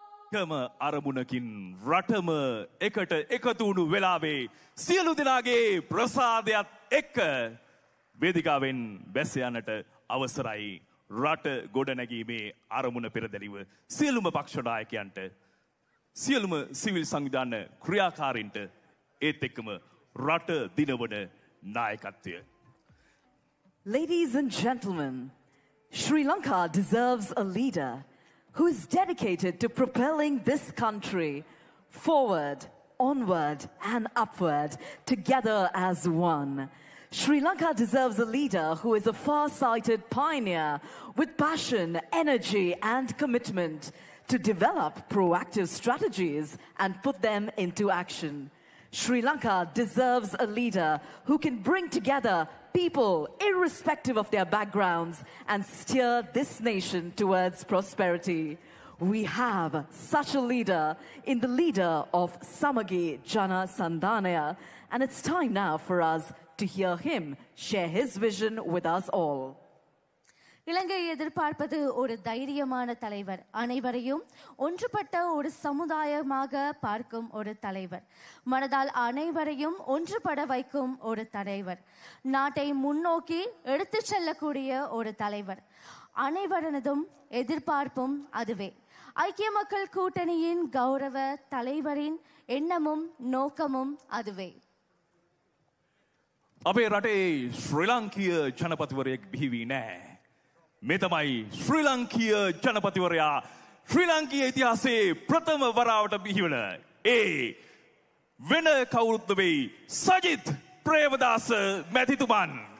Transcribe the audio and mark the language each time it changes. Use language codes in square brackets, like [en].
[si] එකම අරමුණකින් රටම එකට එකතු වුණු වෙලාවේ සියලු දෙනාගේ ප්‍රසාදයත් එක්ක වේදිකාවෙන් බැස යන්නට අවසරයි. රට ගොඩනැගීමේ අරමුණ පෙරදැරිව සියලුම පක්ෂ නායකයන්ට, සියලුම සිවිල් සංවිධාන ක්‍රියාකාරීන්ට, ඒත් එක්කම රට දිනවන නායකත්වය. [en] Ladies and gentlemen, Sri Lanka deserves a leader who is dedicated to propelling this country forward, onward, and upward, together as one. Sri Lanka deserves a leader who is a far-sighted pioneer with passion, energy, and commitment to develop proactive strategies and put them into action. Sri Lanka deserves a leader who can bring together people, irrespective of their backgrounds, and steer this nation towards prosperity. We have such a leader in the leader of Samagi Jana Sandhanaya, and it's time now for us to hear him share his vision with us all. [ta] இலங்கை எதிர்பார்ப்பது ஒரு தைரியமான தலைவர், அனைவரையும் ஒன்றுபட்ட ஒரு சமுதாயமாக பார்க்கும் ஒரு தலைவர், மனதால் அனைவரையும் ஒன்றுபட வைக்கும் ஒரு தலைவர், நாட்டை முன்னோக்கி எடுத்து செல்லக்கூடிய ஒரு தலைவர். அனைவரனதும் எதிர்பார்ப்பும் அதுவே. ஐக்கிய மக்கள் கூட்டணியின் கௌரவ தலைவரின் எண்ணமும் நோக்கமும் அதுவே. [si] அப்பே ரட்டே ஸ்ரீலங்கிய ஜனபதிவரே பிவினே. මේ තමයි ශ්‍රී ලංකීය ජනපතිවරයා, ශ්‍රී ලංකීය ඉතිහාසයේ ප්‍රථම වරාවට බිහිවන ඒ වෙන කවුරුත් වෙයි සජිත් ප්‍රේමදාස මැතිතුමන්.